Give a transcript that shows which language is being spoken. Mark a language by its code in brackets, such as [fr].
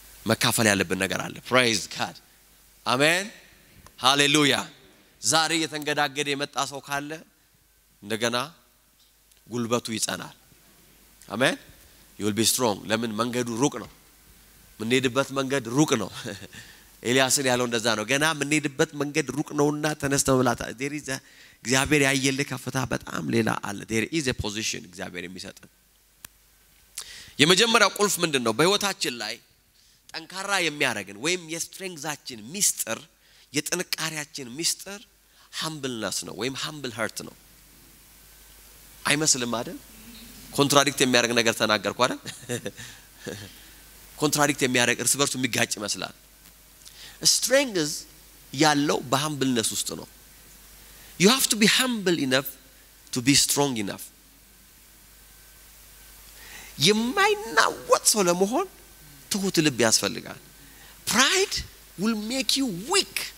[am] መካፈል ያለብን ነገር አለ [en] praise god amen hallelujah [am] ዛሬ የተንገዳገደ የመጣ ሰው ካለ እንደገና ጉልበቱ ይጸናል [en] Amen. You will be strong. [am] ለምን መንገዱ ሩቅ ነው? ምንሄድበት መንገድ ሩቅ ነው። ኤልያስን ያለው እንደዛ ነው። ገና ምንሄድበት መንገድ ሩቅ ነውና ተነስተ መላታ [en] there is a [am] እግዚአብሔር ያየልህ ከፍታ በጣም ሌላ አለ. [en] There is a position [am] እግዚአብሔር የሚሰጥ. የመጀመሪያው ቁልፍ ምንድነው? በህይወታችን ላይ ጠንካራ የሚያረግን ወይም የስትሬንግዛችን ሚስጥር የጥንካሬያችን ሚስጥር humbleness ነው ወይም [en] humble heart [am] ነው. አይመስልም አይደል? contradict የሚያደርግ ነገር ተናገርኩ አይደል contradict የሚያደርግ እርስ በርሱ የሚጋጭ መስላል [en] strength is [am] ያለው በhumbleness ውስጥ ነው [en] you have to be humble enough to be strong enough you might not what so [am] ለመሆን ትሁት ልብ ያስፈልጋል [en] pride will make you weak